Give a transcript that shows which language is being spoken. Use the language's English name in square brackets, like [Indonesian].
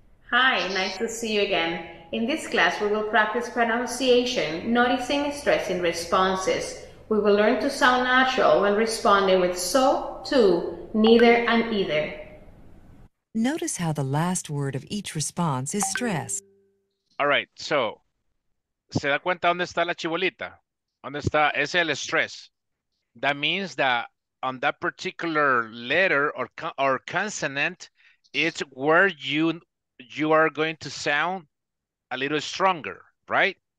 [English] Hi, nice to see you again. In this class, we will practice pronunciation, noticing stress in responses. We will learn to sound natural when responding with so, to, neither, and either. Notice how the last word of each response is stressed. All right, so, [Spanish] ¿se da cuenta dónde está la chibolita? ¿Dónde está? Es el stress. [English] That means that on that particular letter or consonant, it's where you are going to sound a little stronger, right?